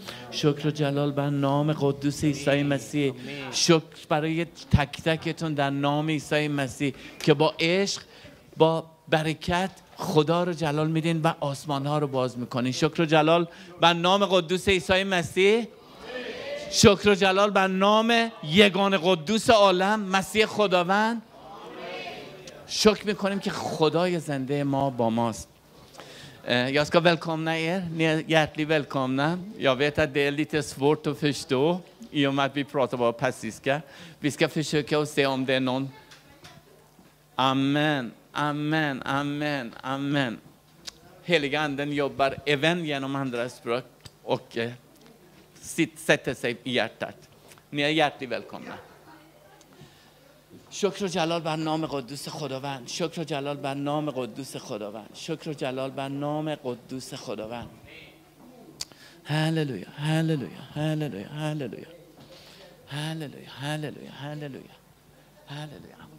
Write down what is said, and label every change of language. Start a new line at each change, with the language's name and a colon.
Persian: شکر و جلال بر نام قدوس عیسی مسیح، شکر برای تک تکتون در نام عیسی مسیح که با عشق با برکت خدا رو جلال میدین و آسمان ها رو باز میکنین. شکر و جلال بر نام قدوس عیسی مسیح، شکر و جلال بر نام یگان قدوس عالم مسیح خداوند. شکر میکنیم که خدای زنده ما با ماست.
Swedish: Jag ska välkomna er, ni är hjärtligt välkomna. Jag vet att det är lite svårt att förstå i och med att vi pratar bara persiska. Vi ska försöka och se om det är någon. Amen, amen, amen, amen. Heliga anden jobbar även genom andra språk och sätter sig i hjärtat. Ni är hjärtligt välkomna.
Persian: شکر و جلال بر نام قدوس خداوند، شکر و جلال بر نام قدوس خداوند، شکر و جلال بر نام قدوس خداوند. هللویا هللویا هللویا هللویا هللویا هللویا هللویا هللویا.